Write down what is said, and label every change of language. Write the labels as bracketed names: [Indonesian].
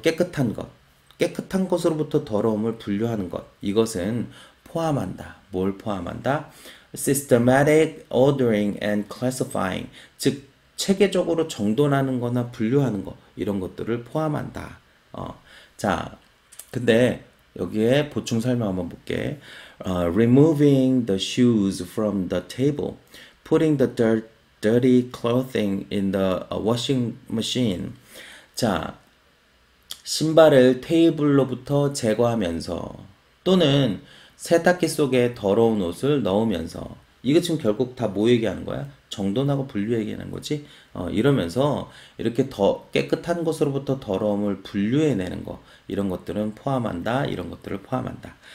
[Korean] 깨끗한 것, 깨끗한 것으로부터 더러움을 분류하는 것, 이것은 포함한다. 뭘 포함한다? [English] Systematic ordering and classifying, [Korean] 즉 체계적으로 정돈하는 거나 분류하는 것, 이런 것들을 포함한다. 자, 근데 여기에 보충 설명 한번 볼게. [English] Removing the shoes from the table, putting the dirty clothing in the washing machine. [Korean] 자, 신발을 테이블로부터 제거하면서 또는 세탁기 속에 더러운 옷을 넣으면서, 이거 지금 결국 다뭐 얘기하는 거야? 정돈하고 분류 얘기하는 거지? 이러면서 이렇게 더 깨끗한 것으로부터 더러움을 분류해내는 거, 이런 것들은 포함한다, 이런 것들을 포함한다.